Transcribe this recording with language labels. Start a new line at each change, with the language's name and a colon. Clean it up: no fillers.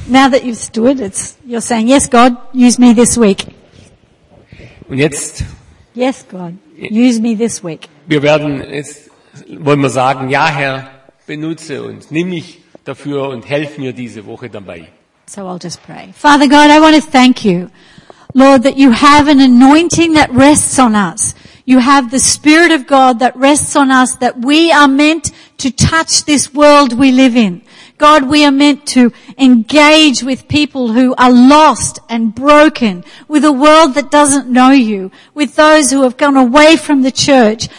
English: Now that you've stood, you're saying, yes, God, use me this week.
German: Und jetzt?
English: Yes, God, use me this week.
German: Wir werden jetzt, wollen wir sagen, ja, Herr, benutze uns, nimm mich dafür und helf mir diese Woche dabei.
English: So I'll just pray. Father God, I want to thank you, Lord, that you have an anointing that rests on us. You have the Spirit of God that rests on us, that we are meant to touch this world we live in. God, we are meant to engage with people who are lost and broken, with a world that doesn't know you, with those who have gone away from the church.